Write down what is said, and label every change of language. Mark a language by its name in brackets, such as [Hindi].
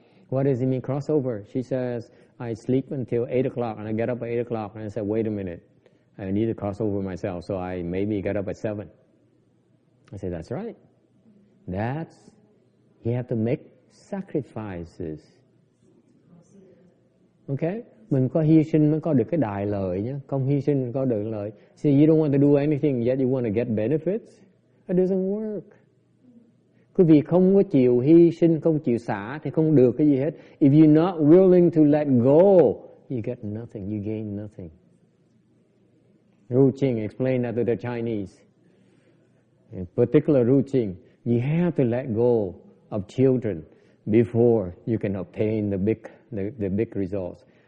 [English] What does it mean crossover? She says, I sleep until 8 o'clock and I get up at 8 o'clock and I say, wait a minute, I need to cross over myself, so I maybe get up at 7. I say, that's right. That's, you have to make sacrifices. Okay? [Vietnamese] Mình có hy sinh mới có được cái đại lợi nhé. Không hy sinh có được lợi. [English] See, you don't want to do anything yet you want to get benefits. It doesn't work. [Vietnamese] Quý vị không có chịu hy sinh, không chịu xả thì không được cái gì hết. [English] If you're not willing to let go, you get nothing, you gain nothing. Ru Qing explained that to the Chinese. In particular Ru Qing, you have to let go of children before you can obtain the big results.